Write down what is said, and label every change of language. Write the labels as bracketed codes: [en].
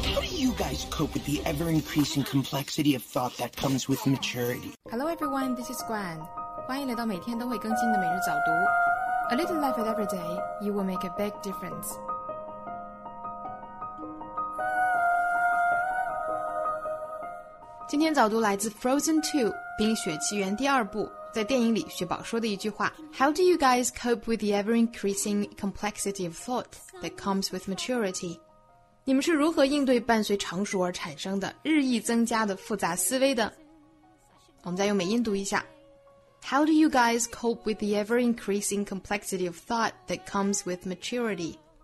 [en] you guys cope with the ever-increasing complexity of thought that comes with maturity? Hello everyone, this is Gwen. [zh] 欢迎来到每天都会更新的每日早读。 [en] A little life at every day, you will make a big difference. [zh] 今天早读来自 Frozen 2, 冰雪奇缘第二部。在电影里雪宝说的一句话 [en] How do you guys cope with the ever-increasing complexity of thought that comes with maturity? [zh] 你们是如何应对伴随成熟而产生的日益增加的复杂思维的？我们再用美音读一下 [en] How do you guys cope with the ever-increasing complexity of thought that comes with maturity?